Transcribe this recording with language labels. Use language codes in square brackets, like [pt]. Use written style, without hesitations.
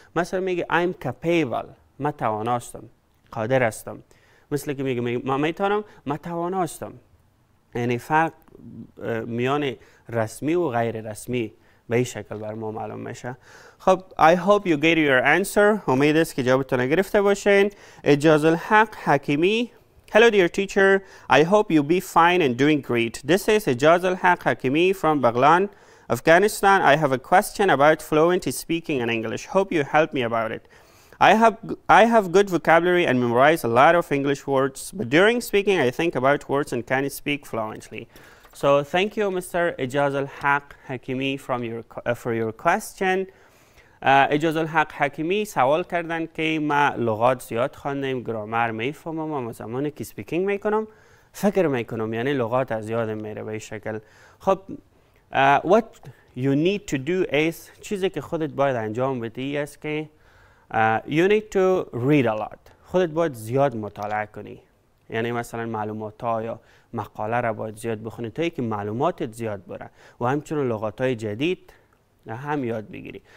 [fa] مثلا میگه [en] I'm capable، [fa] من تواناستم، قادر هستم. مثل که میگم من میتونم، من تواناستم. یعنی فرق میان رسمی و غیر رسمی به این شکل بر ما معلوم میشه. [en] خب I hope you get your answer. [fa] امید است که جوابتون گرفته باشین. اجاز الحق حکیمی. [en] Hello dear teacher, I hope you be fine and doing great. This is اجاز الحق حکیمی from بغلان, Afghanistan. I have a question about fluent speaking in English. Hope you help me about it. I have good vocabulary and memorize a lot of English words, but during speaking I think about words and can speak fluently. So thank you, Mr. Ijaz al-Haq Hakimi, from your for your question. [fa] اجاز الحق حکیمی سوال کردن که ما لغات زیاد خواندیم، گرامر میفهمم، اما زمانی که سپیکینگ میکنم فکر میکنم، یعنی لغات از یادم میره به این شکل. خب [en] what you need to do is، [fa] چیزی که خودت باید انجام بدی است که [en] you need to read a lot، [fa] خودت باید زیاد مطالعه کنی، یعنی مثلا معلومات ها یا مقاله را باید زیاد بخونی تا اینکه معلوماتت زیاد بره و همچنین لغات های جدید هم یاد بگیری.